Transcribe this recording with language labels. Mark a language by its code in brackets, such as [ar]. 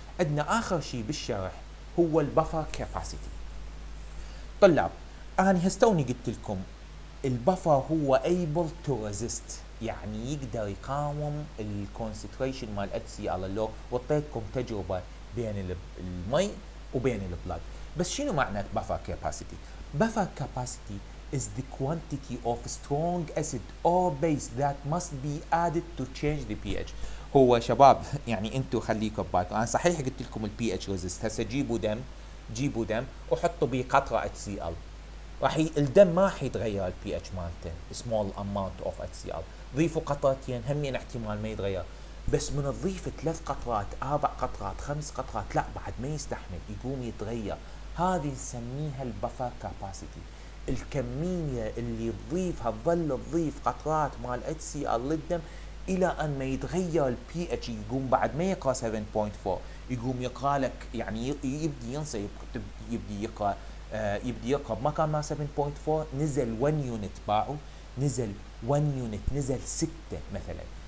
[ar] عندنا اخر شيء بالشرح هو البفر كاباسيتي. طلاب انا هستوني قلت لكم البفر هو [en] able to resist، [ar] يعني يقدر يقاوم الكونسنتريشن مال HCl low، وعطيتكم تجربة بين المي وبين البلد. بس شنو معنى بفر كاباسيتي؟ بفر كاباسيتي [en] is the quantity of strong acid or base that must be added to change the pH. [ar] هو شباب يعني انتو خليكم ببالكم، انا صحيح قلت لكم الـ pH resist، هسه جيبوا دم وحطوا به قطرة HCl، الدم ما حيتغير الـ pH مالته، [en] small amount of HCl، [ar] ضيفوا قطرتين همين احتمال ما يتغير، بس من تضيف ثلاث قطرات، اربع قطرات، خمس قطرات، لا بعد ما يستحمل يقوم يتغير، هذه نسميها البفر كاباسيتي، الكمية اللي تضيفها تظل تضيف قطرات مال HCl للدم الى ان ما يتغير الـ pH، يقوم بعد ما يقرأ 7.4 يقوم يقرأ لك يعني يبدي ينسى، يبدي يقرأ بمكان ما 7.4 نزل 1 يونت، باعوا نزل 1 يونت، نزل 6 مثلا،